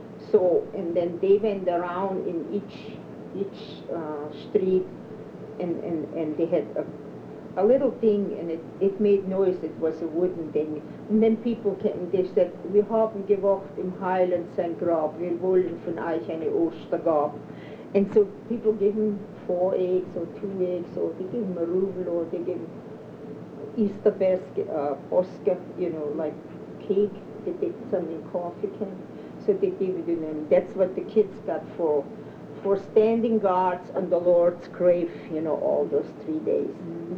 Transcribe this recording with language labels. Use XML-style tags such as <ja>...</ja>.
<en>So, and then they went around in each street, and they had a little thing, and it made noise. It was a wooden thing. And then people came, they said,</en> <de>"Wir haben gewacht im heiligen sein Grab. Wir wollen von euch eine Ostergab."</de> <en>And so people gave him 4 eggs or 2 eggs, or they gave him a ruble, or they gave Easter basket, Oscar, you know, like cake, they did something, coffee can. So they give you the name. That's what the kids got for standing guards on the Lord's grave, you know, all those 3 days. Mm-hmm.</en>